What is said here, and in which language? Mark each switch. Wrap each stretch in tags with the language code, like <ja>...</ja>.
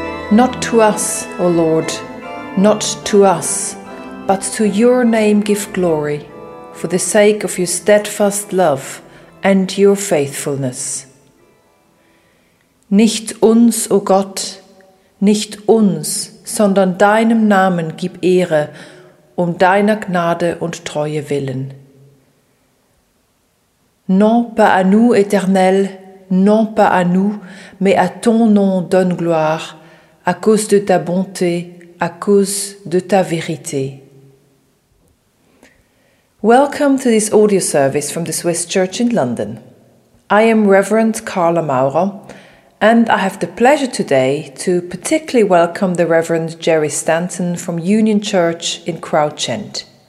<en>Not to us, O Lord, not to us, but to your name give glory, for the sake of your steadfast love and your faithfulness.</en> <de>Nicht uns, O Gott, nicht uns, sondern deinem Namen gib Ehre, um deiner Gnade und Treue willen.</de> <fr>Non pas à nous, Éternel, non pas à nous, mais à ton nom donne gloire, à cause de ta bonté, à cause de ta vérité.</fr> <en>Welcome to this audio service from the Swiss Church in London. I am Reverend Carla Maurer, and I have the pleasure today to particularly welcome the Reverend Jerry Stanton from Union Church in Crouchend.</en>